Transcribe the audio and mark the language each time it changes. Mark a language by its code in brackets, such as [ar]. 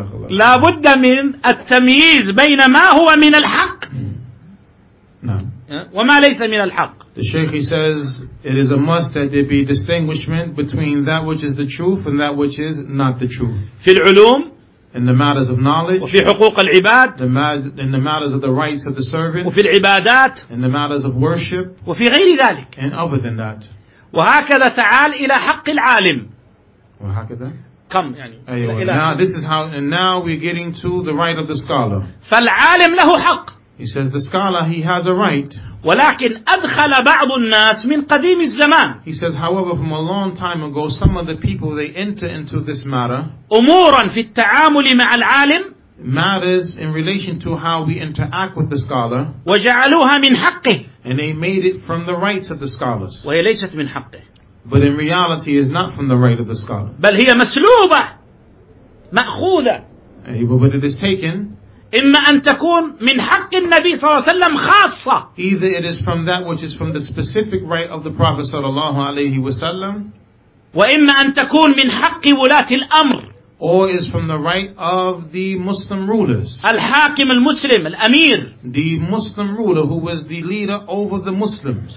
[ar] لا بد من التمييز بين ما هو من الحق. [en] No. [ar] وما ليس من الحق. [en] The Sheikh, he says, it is a must that there be distinguishment between that which is the truth and that which is not the truth. [ar] في العلوم. [en] In the matters of knowledge. [ar] وفي حقوق العباد. [en] In the matters of the rights of the servant. [ar] وفي العبادات. [en] In the matters of worship. [ar] وفي غير ذلك. [en] And other than that. [ar] وهكذا تعال إلى حق العالم. وهكذا. [en] Come. يعني. Now this is how, and now we're getting to the right of the scholar. [ar] فالعالم له حق. [en] He says the scholar, he has a right. [ar] ولكن أدخل بعض الناس من قديم الزمان. [en] He says, however, from a long time ago, some of the people they enter into this matter. [ar] أمورا في التعامل مع العالم. [en] Matters in relation to how we interact with the scholar. [ar] وجعلوها من حقه. [en] And they made it from the rights of the scholars. [ar] وهي ليست من حقه. [en] But in reality, it's not from the right of the scholar. [ar] بل هي مسلوبة. مأخوذة. [en] But it is taken. [ar] إما أن تكون من حق النبي صلى الله عليه وسلم خاصة. [en] Either it is from that which is from the specific right of the Prophet صلى الله عليه وسلم. [ar] وإما أن تكون من حق ولاة الأمر. [en] Or is from the right of the Muslim rulers. [ar] الحاكم المسلم الأمير. [en] The Muslim ruler who was the leader over the Muslims.